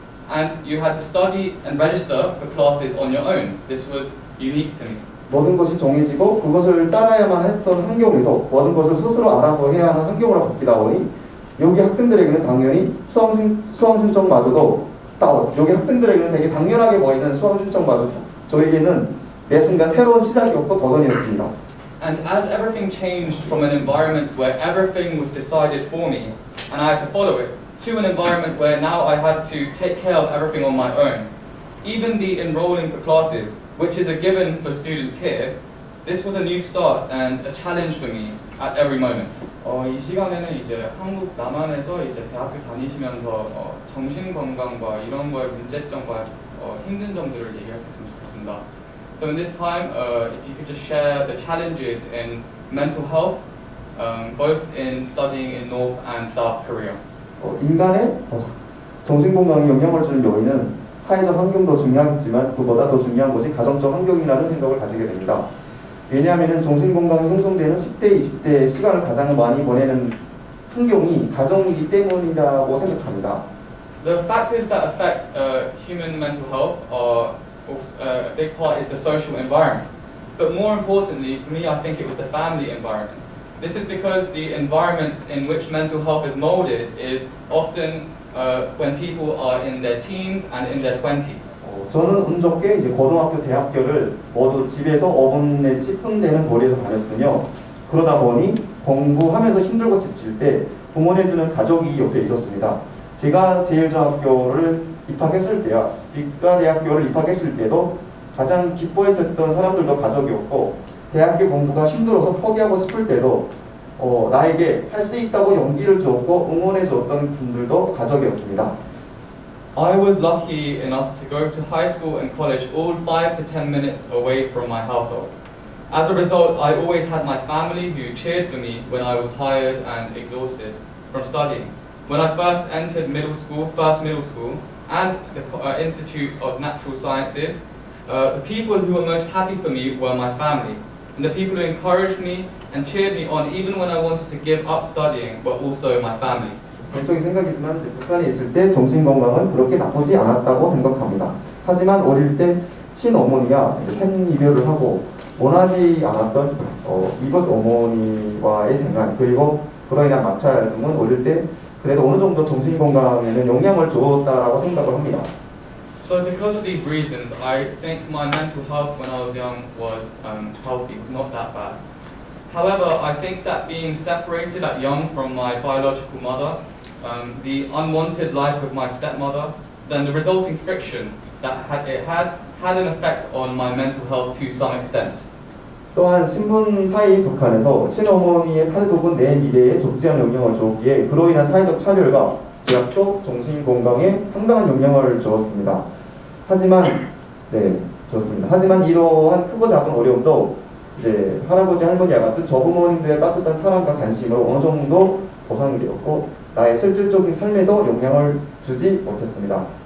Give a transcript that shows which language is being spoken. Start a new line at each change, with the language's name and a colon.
English: And you had to study and register for classes on your own. This was unique to me.
Korean: 모든 것이 정해지고 그것을 따라야만 했던 환경에서 모든 것을 스스로 알아서 해야 하는 환경으로 바뀌다 보니 여기 학생들에게는 당연히 수험신청마저도 여기 학생들에게는 되게 당연하게 보이는 수험신청마저도 저에게는 매 순간 새로운 시작이었고 도전이었습니다.
English: And as everything changed from an environment where everything was decided for me and I had to follow it to an environment where now I had to take care of everything on my own, even the enrolling for classes, which is a given for students here, this was a new start and a challenge for me at every moment.
Korean: 이 시간에는 이제 한국 남한에서 이제 대학교 다니시면서 정신 건강과 이런 거에 문제점과 힘든 점들을 얘기하셨으면 좋겠습니다.
English: So in this time, if you could just share the challenges in mental health, both in studying in North and South Korea.
Korean: 인간의 정신 건강에 영향을 주는 요인은 사회적 환경도 중요하겠지만 그보다 더 중요한 것이 가정적 환경이라는 생각을 가지게 됩니다. 왜냐하면 정신 건강이 형성되는 10대, 20대의 시간을 가장 많이 보내는 환경이 가정이기 때문이라고 생각합니다.
English: The factors that affect human mental health are a big part is the social environment. But more importantly, for me, I think it was the family environment. This is because the environment in which mental health is molded is often when people are in their teens and in their 20s.
Korean: 저는 운 좋게 이제 고등학교, 대학교를 모두 집에서 5분 내지 10분 되는 거리에서 다녔군요. 그러다 보니 공부하면서 힘들고 지칠 때 응원해주는 가족이 옆에 있었습니다. 제가 제일저학교를 입학했을 때야 빅과대학교를 입학했을 때도 가장 기뻐했었던 사람들도 가족이었고 대학교 공부가 힘들어서 포기하고 싶을 때도 나에게 할 수 있다고 용기를 주었고 응원해 주었던 분들도 가족이었습니다.
English: I was lucky enough to go to high school and college all 5 to 10 minutes away from my household. As a result, I always had my family who cheered for me when I was tired and exhausted from studying. When I first entered middle school, first middle school, and the Institute of Natural Sciences, the people who were most happy for me were my family. And the people who encouraged me and cheered me on even when I wanted to give up studying were also my family.
Korean: 개인적인 생각이지만 북한에 있을 때 정신 건강은 그렇게 나쁘지 않았다고 생각합니다. 하지만 어릴 때 친어머니가 생이별을 하고 원하지 않았던 이웃 어머니와의 생활 그리고 그로 인한 마찰 등은 어릴 때 그래도 어느 정도 정신 건강에는 영향을 주었다라고 생각을 합니다.
English: So because of these reasons, I think my mental health when I was young was healthy, was not that bad. However, I think that being separated at young from my biological mother, the unwanted life with my stepmother, then the resulting friction that had an effect on my mental health to some extent.
Korean: 또한 신분 사이 북한에서 친어머니의 탈북은 내 미래에 적지 않은 영향을 줬기에 그로 인한 사회적 차별과 제약도 정신 건강에 상당한 영향을 주었습니다. 하지만 네 좋습니다. 하지만 이러한 크고 작은 어려움도 이제 할아버지 할머니와 같은 저부모님들의 따뜻한 사랑과 관심으로 어느 정도 보상이 되었고 나의 실질적인 삶에도 영향을 주지 못했습니다.